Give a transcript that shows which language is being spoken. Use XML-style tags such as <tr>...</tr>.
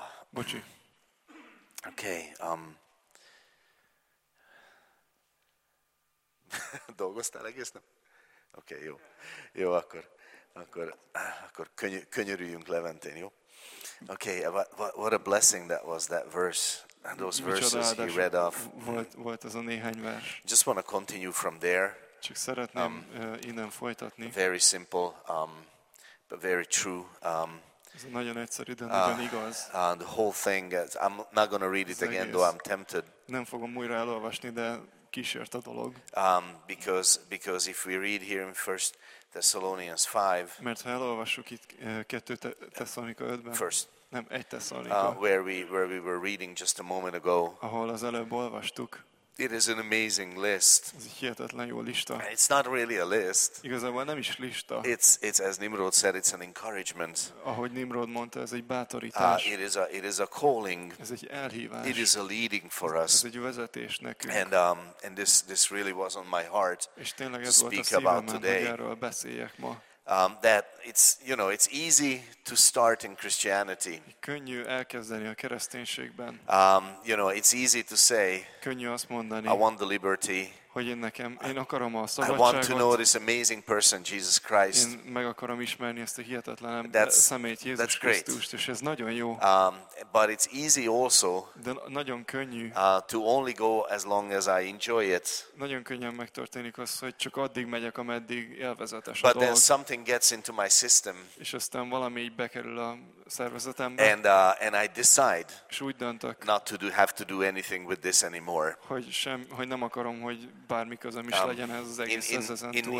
<hu>Bocsi.</hu> <en>Okay.</en> <hu>Dolgoztál egész nap? Oké, jó. Jó, akkor könyörüljünk Leventén, jó?</hu> <en>Okay, what a blessing that was, that verse. Those verses he read off.</en> <hu>Volt az a néhány vers.</hu> <en>Just want to continue from there.</en> <hu>Csak szeretném innen folytatni.</hu> <en>Very simple, but very true.</en> <hu>Ez nagyon egyszerű, de nagyon igaz.</hu> <en>The whole thing, I'm not going to read it again, though I'm tempted.</en> <hu>Nem fogom újra elolvasni, de kísért a dolog.</hu> <en>Because if we read here in 1 Thessalonians 5,</en> <hu>mert ha elolvassuk itt 2 Tesszalonika 5-ben,</hu> <en>first,</en> <hu>nem 1</hu> <en>Tesszalonika, where we were reading just a moment ago,</en> <hu>ahol az előbb olvastuk.</hu> <en>It is an amazing list.</en> <hu>Ez egy hihetetlen jó lista.</hu> <en>It's not really a list.</en> <hu>Igazából nem is lista.</hu> <en>It's as Nimrod said, it's an encouragement.</en> <hu>Ahogy Nimrod mondta, ez egy bátorítás.</hu> <en>It is a calling.</en> <hu>Ez egy elhívás.</hu> <en>It is a leading for us.</en> <hu>Ez egy vezetés nekünk.</hu> <en>And this really was on my heart.</en> <hu>És tényleg ez volt a szívemben, hogy erről beszéljek ma.</hu> <en>That it's, you know, it's easy to start in Christianity.</en> <hu>Könnyű elkezdeni a kereszténységben.</hu> <en>You know, it's easy to say.</en> <hu>Könnyű azt mondani.</hu> <en>I want the liberty.</en> <hu>Hogy én akarom a szabadságot.</hu> <en>I want to know this amazing person, Jesus Christ.</en> <hu>Én meg akarom ismerni ezt a hihetetlen személyt, Jézus</hu> <en>that's</en> <hu>Krisztust,</hu> <en>great.</en> <hu>És ez nagyon jó.</hu> <en>But it's easy also.</en> <hu>De nagyon könnyű.</hu> <en>To only go as long as I enjoy it.</en> <hu>Nagyon könnyen megtörténik az, hogy csak addig megyek, ameddig élvezetes a dolog.</hu> <en>But then something gets into my system.</en> <hu>És aztán valami így bekerül a szervezetembe.</hu> <en>And I decide.</en> <hu>És úgy döntök.</hu> <en>Not to do, have to do anything with this anymore.</en> <hu>Hogy nem akarom, hogy bármi közöm is legyen ez az egész ezen túl.</hu>